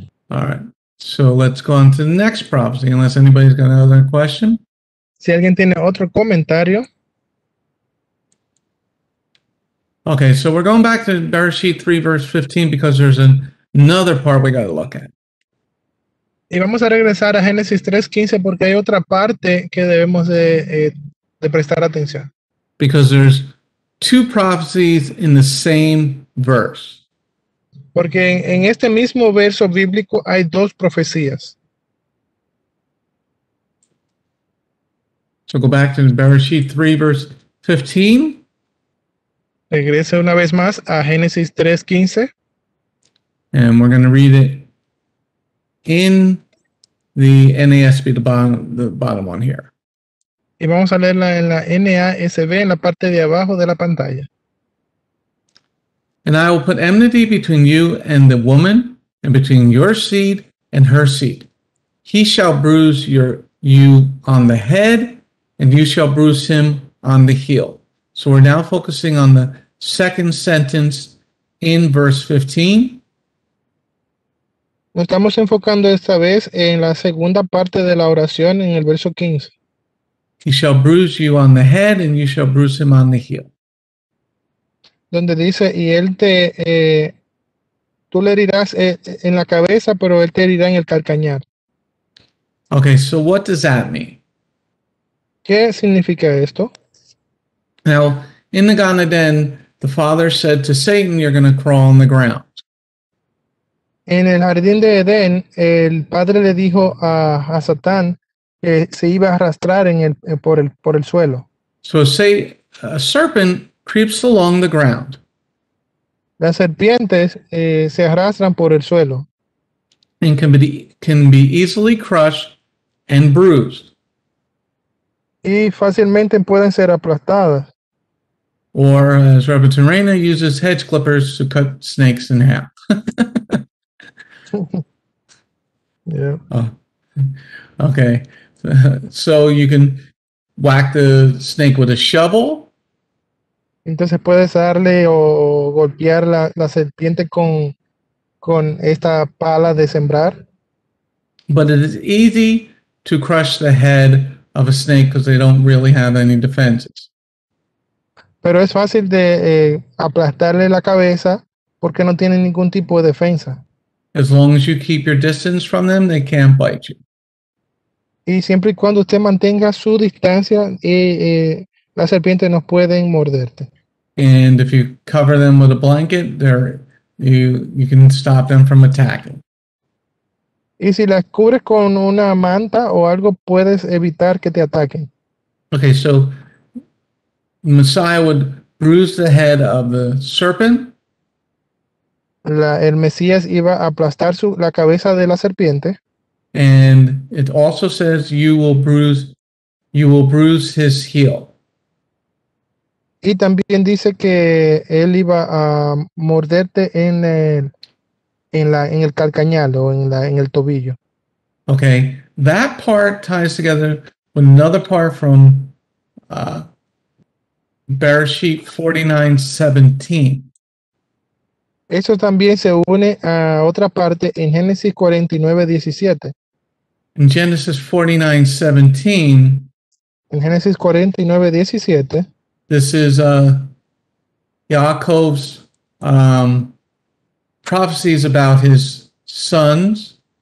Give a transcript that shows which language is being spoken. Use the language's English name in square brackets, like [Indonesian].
[English] All right. So let's go on to the next prophecy, unless anybody's got another question. [Spanish] Si alguien tiene otro comentario. [English] Okay, so we're going back to Bereshit 3, verse 15, because there's another part we got to look at. [Spanish] Y vamos a regresar a Génesis 3:15 porque hay otra parte que debemos de prestar atención. [English] Because there's two prophecies in the same verse. [Spanish] Porque en este mismo verso bíblico hay dos profecías. [English] So go back to Bereshit 3, verse 15. [Spanish] Regrese una vez más a Génesis 3:15. [English] And we're going to read it in the NASB, the bottom one here. [Spanish] Y vamos a leerla en la NASB, en la parte de abajo de la pantalla. [English] And I will put enmity between you and the woman, and between your seed and her seed. He shall bruise you on the head, and you shall bruise him on the heel. So we're now focusing on the second sentence in verse 15. [Spanish] Nos estamos enfocando esta vez en la segunda parte de la oración en el verso 15. [English] He shall bruise you on the head and you shall bruise him on the heel. [Spanish] Donde dice, y él te, tú le herirás en la cabeza, pero él te herirá en el calcañar. [English] Okay, so what does that mean? [Spanish] ¿Qué significa esto? [English] Now, in the Gan Eden, the father said to Satan, you're going to crawl on the ground. [Spanish] En el jardín de Edén, el padre le dijo a Satán que se iba a arrastrar en el por el suelo. [English] So say a serpent creeps along the ground. [Spanish] Las serpientes se arrastran por el suelo. [English] And can be easily crushed and bruised. [Spanish] Y fácilmente pueden ser aplastadas. [English] Or as Robert Terena uses hedge clippers to cut snakes in half. Yeah. Oh. Okay. So you can whack the snake with a shovel. [Spanish] Entonces puedes darle o golpear la serpiente con esta pala de sembrar. [English] But it is easy to crush the head of a snake because they don't really have any defenses. [Spanish] Pero es fácil de aplastarle la cabeza porque no tiene ningún tipo de defensa. [English] As long as you keep your distance from them, they can't bite you. [Spanish] Y siempre y cuando usted mantenga su distancia, las serpientes no pueden morderte. [English] And if you cover them with a blanket, you can stop them from attacking. [Spanish] Y si las cubres con una manta o algo, puedes evitar que te ataquen. [English] Okay, so Messiah would bruise the head of the serpent. [Spanish] El Mesías iba a aplastar la cabeza de la serpiente. [English] And it also says you will bruise his heel. [Spanish] Y también dice que él iba a morderte en el calcañal o en el tobillo. [English] Okay, that part ties together with another part from Bereshit 49:17. [Spanish] Eso también se une a otra parte en Génesis 49:17. [English] In Genesis 49:17. [Spanish] En Génesis 49:17. [English] This is Yaakov's prophecies about his sons.